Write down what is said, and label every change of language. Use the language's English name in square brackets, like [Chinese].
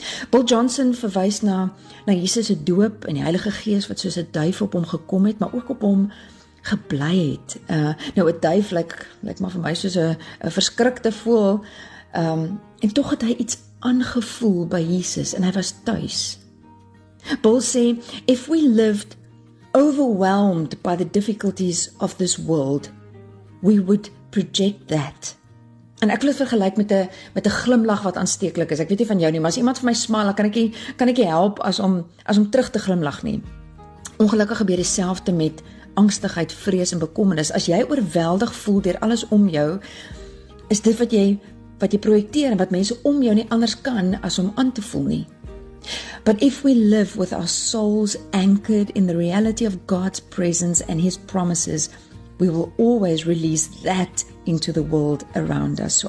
[Afrikaans] Bill Johnson verwys na Jesus se doop en die Heilige Gees wat soos 'n duif op hom gekom het, maar ook op hom gebly het. Nou 'n duif lyk maar vir my soos 'n verskrikte voel en tog het hy iets aangevoel by Jesus en hy was tuis. Bill sê, [English] "If we lived overwhelmed by the difficulties of this world, we would project that." [Afrikaans] En ek wil dit vergelyk met 'n glimlag wat aansteeklik is. Ek weet nie van jou nie, maar as iemand vir my smil, kan ek nie help as om terug te glimlag nie. Ongelukkig gebeur dieselfde met angstigheid, vrees en bekommernis. As jy oorweldig voel deur alles om jou, is dit wat jy projekteer en wat mense om jou nie anders kan as om aan te voel nie. [English] But if we live with our souls anchored in the reality of God's presence and His promises, we will always release that into the world around us.